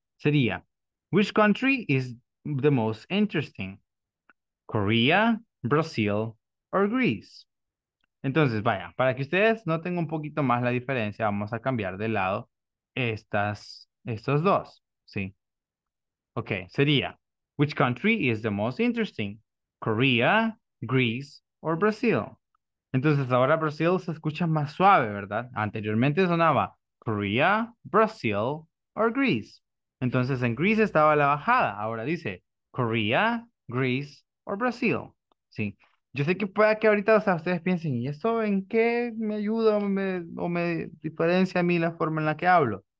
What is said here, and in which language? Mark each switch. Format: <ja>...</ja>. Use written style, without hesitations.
<es>Sería,</es> <en>which country is the most interesting?</en> <es>Korea, Brazil or Greece? Entonces, vaya, para que ustedes noten un poquito más la diferencia, vamos a cambiar de lado estos dos, ¿sí?</es> <en>Ok,</en> <es>sería,</es> <en>which country is the most interesting? Korea, Greece, or Brazil?</en> <es>Entonces, ahora Brazil se escucha más suave, ¿verdad? Anteriormente sonaba Korea, Brazil, or Greece. Entonces, en Greece estaba la bajada. Ahora dice Korea, Greece, or Brazil, ¿sí? Yo sé que pueda que ahorita, o sea, ustedes piensen, ¿y esto en qué me ayuda o me diferencia a mí la forma en la que hablo?</es>